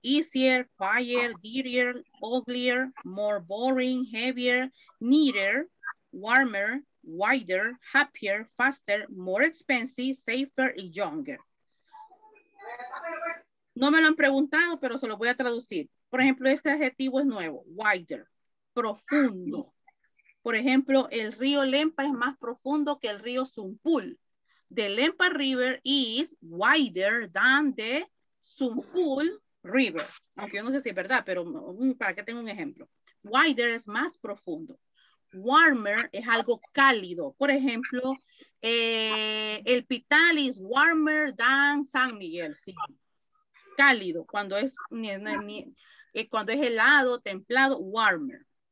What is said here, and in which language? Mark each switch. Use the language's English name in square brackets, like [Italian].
[English] Easier, quieter, dirtier, uglier, more boring, heavier, neater, warmer, wider, happier, faster, more expensive, safer y younger. [Spanish] No me lo han preguntado, pero se lo voy a traducir. Por ejemplo, este adjetivo es nuevo. Wider, profundo. Por ejemplo, el río Lempa es más profundo que el río Sumpul. [English] The Lempa River is wider than the Sumpul River. [Spanish] Aunque yo no sé si es verdad, pero para que tenga un ejemplo. Wider es más profundo. Warmer es algo cálido. Por ejemplo, el Pital [English] is warmer than [Spanish] San Miguel. Sí. Cálido. Cuando es, cuando es helado, templado, warmer.